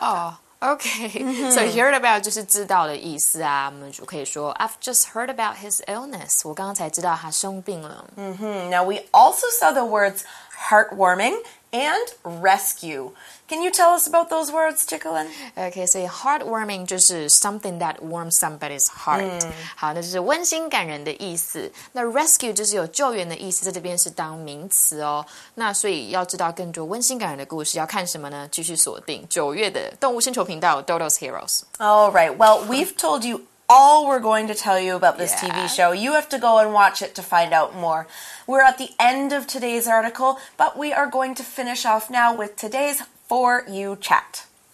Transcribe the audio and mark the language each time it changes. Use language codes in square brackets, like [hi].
[en] Oh, okay. So, [zh] hear about 就是知道的意思啊。我们就可以说 [en] I've just heard about his illness. [zh] 我刚才知道他生病了。 [en] Now, we also saw the words... heartwarming, and rescue. Can you tell us about those words, Chicolin? Okay, so heartwarming 就是 something that warms somebody's heart. [zh] 好，那就是温馨感人的意思。那 rescue 就是有救援的意思，在这边是当名词哦。那所以要知道更多温馨感人的故事，要看什么呢？继续锁定九月的动物星球频道 Dodo's Heroes. [en] All right, well, we've told you all we're going to tell you about this TV show. You have to go and watch it to find out more. We're at the end of today's article, but we are going to finish off now with today's For You Chat.